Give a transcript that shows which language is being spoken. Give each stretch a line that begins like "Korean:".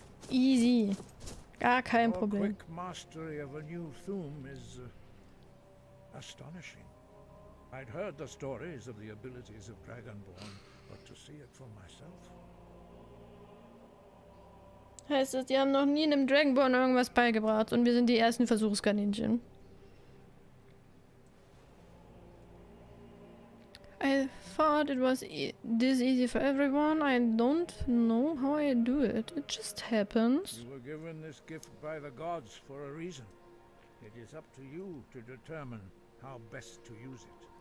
English: Easy.
German: Gar kein Problem.
English: Your quick mastery of a new thumb is astonishing. I'd heard the stories of the abilities of Dragonborn, but to see it for myself.
German: Heißt das, die haben noch nie einem Dragonborn irgendwas beigebracht und wir sind die ersten Versuchskaninchen.
English: I thought it was this easy for everyone. I don't know how I do it. It just happens. You were given this gift by the gods for a reason. It is up to you to determine how best to use it.